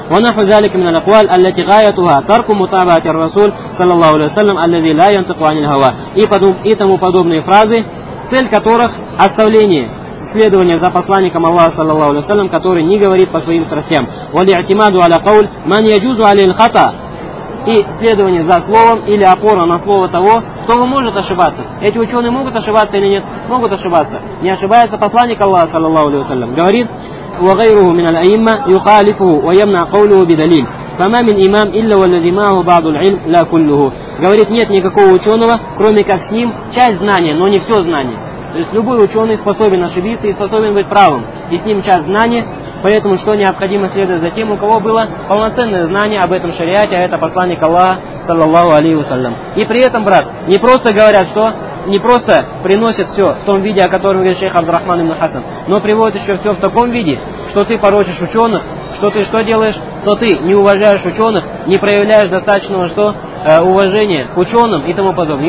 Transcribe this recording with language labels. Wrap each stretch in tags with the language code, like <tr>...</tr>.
<ar>وَنَحْوَ ذَلِكَ مِنَ الْأَقْوَالِ أَلَّتِي غَايَتُهَا تَرْكُ مُتَابَعَةِ الرَّسُولِ صَلَى اللَّهُ عَلَيْهِ وَسَلَّمَ الَّذِي لَا يَنْطِقُ عَنِ الْهَوَى</ar> <ru>И тому подобные фразы, цель которых – оставление следования за посланником Аллаха, саллаллаху алейхи ва саллям, который не говорит по своим страстям.</ru> <ar>وَلِعْتِمَادُ عَلَى قَوْلِ مَنْ يَجُوزُ عَلَى الْخَطَى</ar> <ru>И следование за словом или опора на слово того, кто может ошибаться. Эти ученые могут ошибаться или нет? Могут ошибаться. Не ошибается посланник Аллаха, саллаллаху алейхи ва саллям.</ru> <ar>Говорит, وَغَيْرُهُ مِنَ الْأَئِمَّةِ يُخَالِفُهُ وَيَمْنَعْ قَوْلُهُ بِدَلِيلٍ فَمَا مِنْ إِمَامْ إِلَّا وَالَّذِي مَعَهُ بَعْضُ الْعِلْمِ لَا كُلُّهُ</ar> <ru>Говорит, нет никакого ученого, кроме как с ним, часть знания, но не все знание. То есть любой ученый способен ошибиться и способен быть правым. И с ним часть знания, поэтому что необходимо следовать за тем, у кого было полноценное знание об этом шариате, а это посланник Аллаха, саллаллаху алейхи ва саллям. И при этом, брат, не просто говорят, что не просто приносят все в том виде, о котором говорит шейх Абдурахман ибн Хасан, но приводят еще все в таком виде, что ты порочишь ученых, что ты что делаешь, что ты не уважаешь ученых, не проявляешь достаточного что уважения к ученым и тому подобное.</ru>